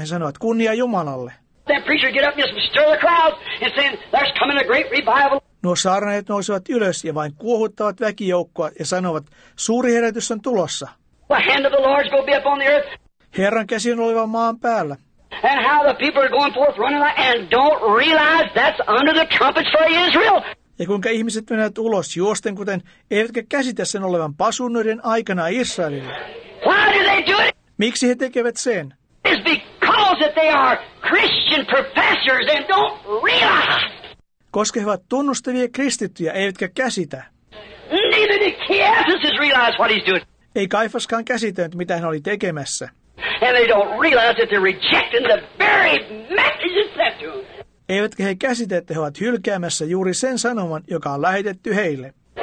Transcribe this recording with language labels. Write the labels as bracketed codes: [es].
[fi] He sanovat, kunnia Jumalalle. [en] That preacher get up and just stir the crowd and say, there's coming a great revival. [fi] Nuo saarnaajat nousevat ylös ja vain kuohuttavat väkijoukkoa ja sanovat, suuri herätys on tulossa. [en] The hand of the Lord's going to be up on the earth. [fi] Herran käsi on oleva maan päällä. [en] And how the people are going forth running like, and don't realize that's under the trumpets for Israel. [fi] Ja kuinka ihmiset menevät ulos juosten, kuten eivätkä käsitä sen olevan pasunnoiden aikana Israelille. [en] Why do they do it? [fi] Miksi he tekevät sen? [en] It's because that they are Christian professors and don't realize. [fi] Koska he ovat tunnustavia kristittyjä, eivätkä käsitä. [en] Neither did Caiaphas realize what he's doing. [fi] Ei Kaifaskaan käsitänyt, mitä hän oli tekemässä. [en] And they don't realize that they're rejecting the very message that to. [fi] Eivätkä he käsitä, että he ovat hylkäämässä juuri sen sanoman, joka on lähetetty heille.